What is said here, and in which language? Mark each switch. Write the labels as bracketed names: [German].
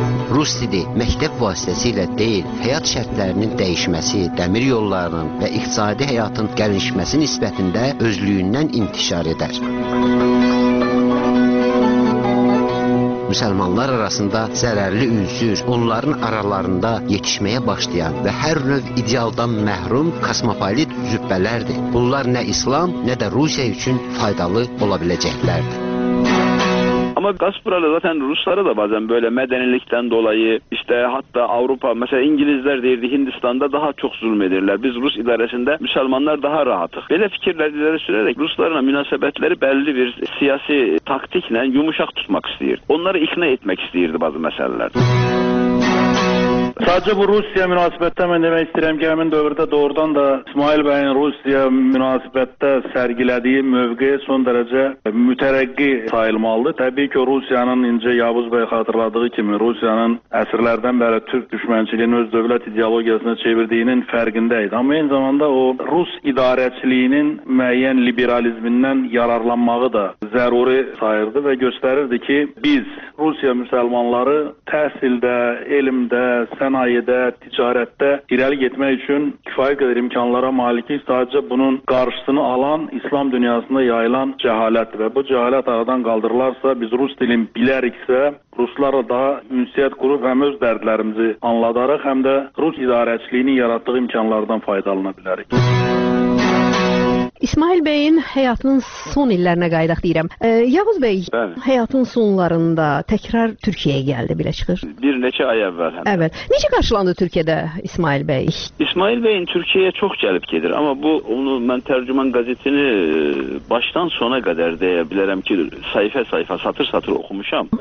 [Turkish] Rus dili, mektep vasitesiyle değil, hayat şartlarının değişmesi, demir yollarının ve iqtisadi hayatın gelişmesi nisbətində özlüyündən intişar eder. [Azerbaijani] Müslümanlar arasında zərərli ünsür, onların aralarında yetişməyə başlayan və hər növ idealdan məhrum kosmopolit zübbələrdir. Bunlar nə İslam, nə də Rusiya üçün faydalı ola biləcəklərdir. [Turkish] Ama Gaspralı zaten Ruslara da bazen böyle medenilikten dolayı işte hatta Avrupa mesela İngilizler deyirdi Hindistan'da daha çok zulmedirler. Biz Rus idaresinde Müslümanlar daha rahatız. Böyle fikirler ileri sürerek Ruslarla münasebetleri belli bir siyasi taktikle yumuşak tutmak istiyordu. Onları ikna etmek istiyordu bazı meselelerde. Sadece bu Rusya münasibette ben demek istedim ki hemen dövrede doğrudan da İsmail Bey'in Rusya münasibette sergilediği mövqe son derece mütereqqi sayılmalı. Tabii ki Rusya'nın ince Yavuz Bey hatırladığı kimi Rusya'nın esirlerden beri Türk düşmançılığını öz devlet ideologiyasına çevirdiğinin farkındaydı. Ama aynı zamanda o Rus idareçiliğinin müeyyen liberalizminden yararlanmağı da zaruri sayırdı ve gösterirdi ki biz Rusya Müslümanları [Azerbaijani] təhsildə, elmdə, sənayedə, ticarətdə irəli getmək üçün kifayət qədər imkanlara malikik. Sadəcə bunun qarşısını alan İslam dünyasında yayılan cəhalətdir. Və bu cəhalət aradan qaldırılarsa, biz rus dilin biləriksə, ruslara daha ünsiyyət qurub həm öz dərdlərimizi anladarıq, həm də rus idarəçiliyinin yaratdığı imkanlardan faydalana bilərik. [Turkish] İsmail Bey'in hayatının son illerine [Azerbaijani] qayıdaq deyirəm. [Turkish] Yavuz Bey, hayatın sonlarında tekrar Türkiye'ye geldi bile çıxır. [Azerbaijani] Bir neçə ay evvel. Evet. Necə qarşılandı Türkiye'de İsmail Bey? [Turkish] İsmail Bey'in Türkiye'ye [Azerbaijani] çok gəlib [Turkish] gelir ama bu onu ben Tercüman gazetini baştan sona kadar deyebilirim ki sayfa sayfa satır satır okumuşam.